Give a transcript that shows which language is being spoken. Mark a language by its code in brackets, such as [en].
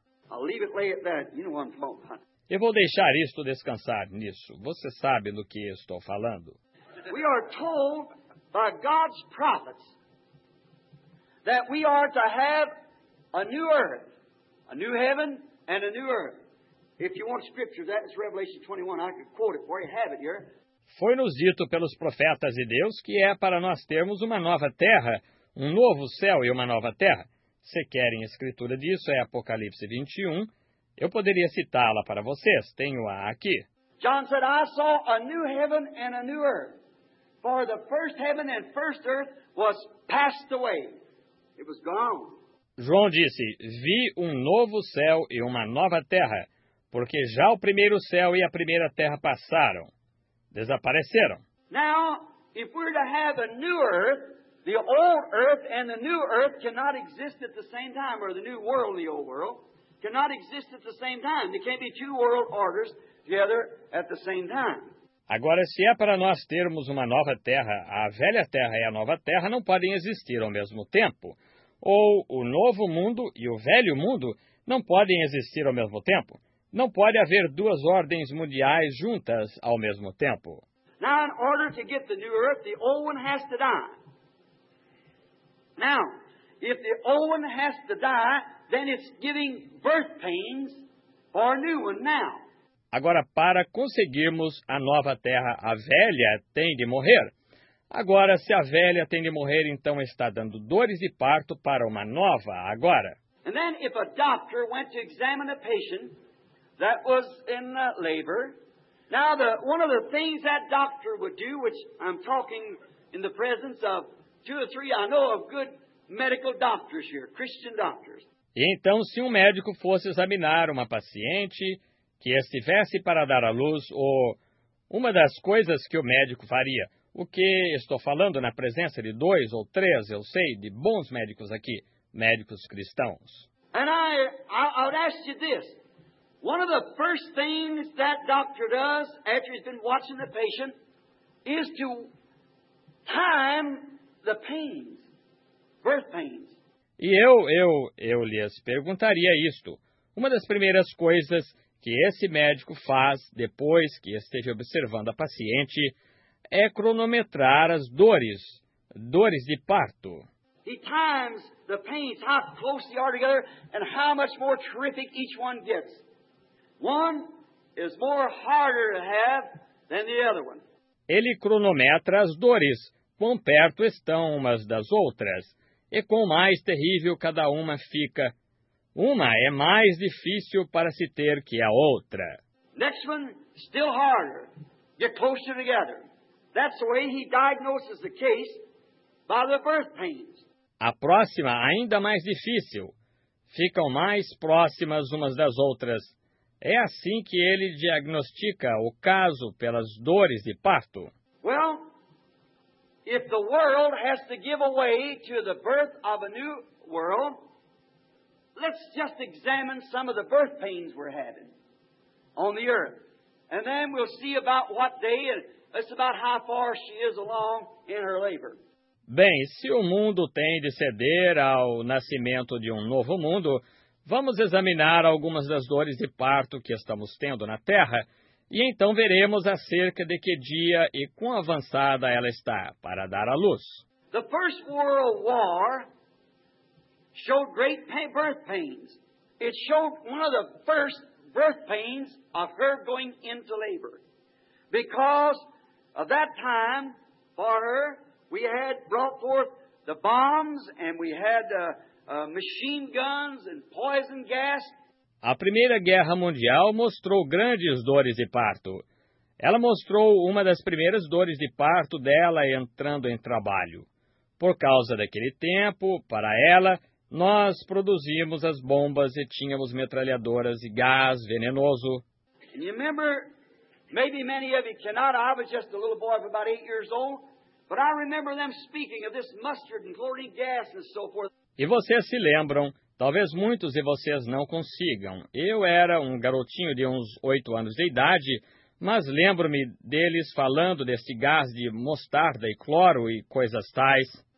[en] I'll leave it, lay it there. You know what I'm talking about. [pt] Eu vou deixar isto descansar nisso. Você sabe do que estou falando. [en] We are told by God's prophets that we are to have a new earth, a new heaven, and a new earth. If you want scripture, that is Revelation 21. I could quote it for you. Have it here. [pt] Foi-nos dito pelos profetas de Deus que é para nós termos uma nova terra, um novo céu e uma nova terra. Se querem escritura disso, é Apocalipse 21. Eu poderia citá-la para vocês. Tenho-a aqui. [en] John said, I saw a new heaven and a new earth. For the first heaven and first earth was passed away. It was gone. [pt] João disse, vi um novo céu e uma nova terra, porque já o primeiro céu e a primeira terra passaram. Desapareceram. [en] Now, if we're to have a new earth, the old earth and the new earth cannot exist at the same time, or the new world and the old world cannot exist at the same time. There can't be two world orders together at the same time. [pt] Agora, se é para nós termos uma nova terra, a velha terra e a nova terra não podem existir ao mesmo tempo. Ou o novo mundo e o velho mundo não podem existir ao mesmo tempo. Não pode haver duas ordens mundiais juntas ao mesmo tempo. [en] Now, in order to get the new earth, the old one has to die. Now, if the old one has to die, then it's giving birth pains for a new one now. [pt] Agora, para conseguirmos a nova terra, a velha tem de morrer. Agora, se a velha tem de morrer, então está dando dores de parto para uma nova agora. [en] And then, if a doctor went to examine a patient that was in labor. Now, one of the things that doctor would do, which I'm talking in the presence of two or three, I know of good medical doctors here, Christian doctors. [pt] E então, se médico fosse examinar uma paciente que estivesse para dar à luz, ou uma das coisas que o médico faria, o que estou falando na presença de dois ou três, eu sei, de bons médicos aqui, médicos cristãos. [en] And I would ask you this. One of the first things that doctor does after he's been watching the patient is to time the pains, birth pains. [pt] E eu lhes perguntaria isto. Uma das primeiras coisas que esse médico faz depois que esteja observando a paciente é cronometrar as dores de parto. [en] He times the pains, how close they are together and how much more terrific each one gets. One is more harder to have than the other one. [pt] Ele cronometra as dores, quão perto estão umas das outras, e quão mais terrível cada uma fica. Uma é mais difícil para se ter que a outra. [en] Next one, still harder. Get closer together. That's the way he diagnoses the case by the birth pains. [pt] A próxima, ainda mais difícil. Ficam mais próximas umas das outras. É assim que ele diagnostica o caso pelas dores de parto. [en] Well, if the world has to give away to the birth of a new world, let's just examine some of the birth pains we're having on the earth. And then we'll see about what day and it's about how far she is along in her labor. [pt] Bem, se o mundo tem de ceder ao nascimento de um novo mundo, vamos examinar algumas das dores de parto que estamos tendo na Terra e então veremos acerca de que dia e quão avançada ela está para dar à luz. [en] The First World War showed great birth pains. It showed one of the first birth pains of her going into labor. Because of that time, for her, we had brought forth the bombs and we had machine guns and poison gas. [pt] A Primeira Guerra Mundial mostrou grandes dores de parto. Ela mostrou uma das primeiras dores de parto dela entrando em trabalho. Por causa daquele tempo, para ela, nós produzimos as bombas e tínhamos metralhadoras e gás venenoso. [en] And you remember, maybe many of you cannot, I was just a little boy of about 8 years old, but I remember them speaking of this mustard and chlorine gas and so forth. [pt] E vocês se lembram, talvez muitos de vocês não consigam. Eu era um garotinho de uns 8 anos de idade, mas lembro-me deles falando desse gás de mostarda e cloro e coisas tais.